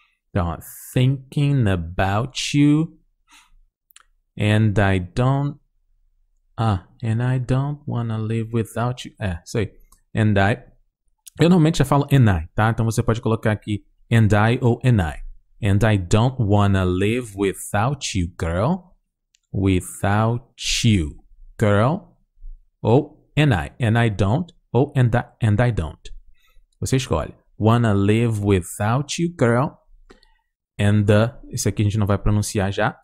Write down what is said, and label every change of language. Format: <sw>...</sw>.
<pt>Então,</pt> <en>thinking about you. And I don't. Ah, and I don't wanna live without you.</en> <pt>É, isso aí. And I. Eu normalmente já falo and I, tá? Então você pode colocar aqui and I ou and I.</pt> <en>And I don't wanna live without you, girl. Without you, girl. Ou and I don't, ou and I don't.</en> <pt>Você escolhe.</pt> <en>Wanna live without you, girl.</en> <pt>And the, esse aqui a gente não vai pronunciar já.</pt>